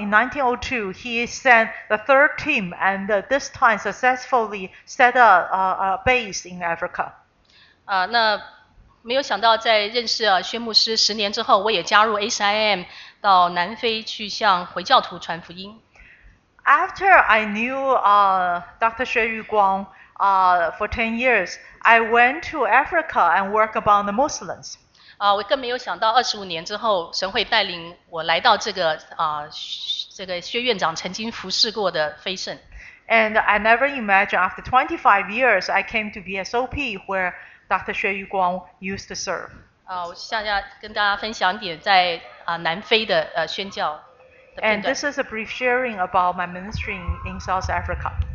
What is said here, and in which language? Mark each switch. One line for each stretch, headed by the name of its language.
English: In 1902, he sent the third team, and this time successfully set up a base in Africa.
Chinese: 那没有想到，在认识宣牧师十年之后，我也加入 SIM 到南非去向回教徒传福音。
English: After I knew Dr. Xue Yuguang for 10 years, I went to Africa and worked among the Muslims.
Chinese: 我更没有想到25年之后神会带领我来到这个薛院长曾经服侍过的非圣。
English: And I never imagined after 25 years I came to VSOP where Dr. Xue Yuguang used to serve.
Chinese: 跟大家分享一点在南非的宣教。
English: And this is a brief sharing about my ministry in South Africa.